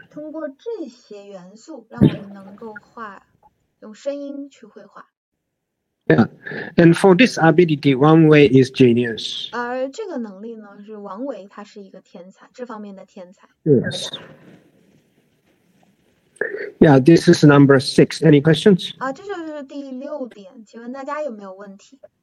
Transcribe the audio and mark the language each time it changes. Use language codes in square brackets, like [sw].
[zh] 通过这些元素让我们能够画，用声音去绘画。 [en] Yeah, and for this ability, Wang Wei is genius. [zh] 而这个能力呢，是王维，他是一个天才，这方面的天才。 [en] Yes. Yeah, this is number six. Any questions? [zh] 啊，这就是第六点，请问大家有没有问题？